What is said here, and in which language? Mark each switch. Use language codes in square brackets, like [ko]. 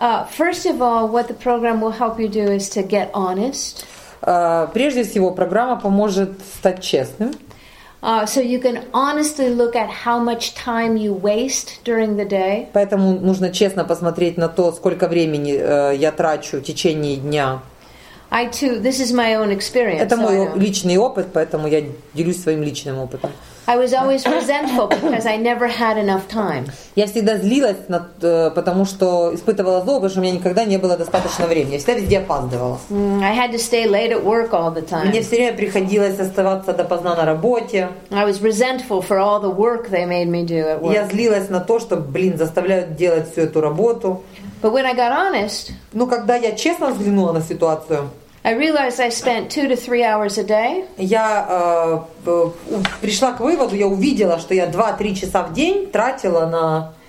[en] First of all, what the program will help you do is to get honest. [ru] Прежде всего, программа поможет стать честным. [en] So you can honestly look at how much time you waste during the day. [ru] Поэтому нужно честно посмотреть на то, сколько времени я трачу в течение дня. [en] I too. This is my own experience. [ru] Это мой личный опыт, поэтому я делюсь своим личным опытом. [en] I was always resentful because I never had enough time. [ru] Я всегда злилась, потому что испытывала злобу, потому что у меня никогда не было достаточно времени. Я всегда везде опаздывала. [en] I had to stay late at work all the time. [ru] Мне все время приходилось оставаться допоздна на работе. [en] I was resentful for all the work they made me do at work. [ru] Я злилась на то, что, блин, заставляют делать всю эту работу. [en] But when I got honest, [ru] ну когда я честно взглянула на ситуацию, [en] I realized I spent 2 to 3 hours a day. [ru] Я пришла к выводу, я увидела, что я 2-3 часа в день тратила на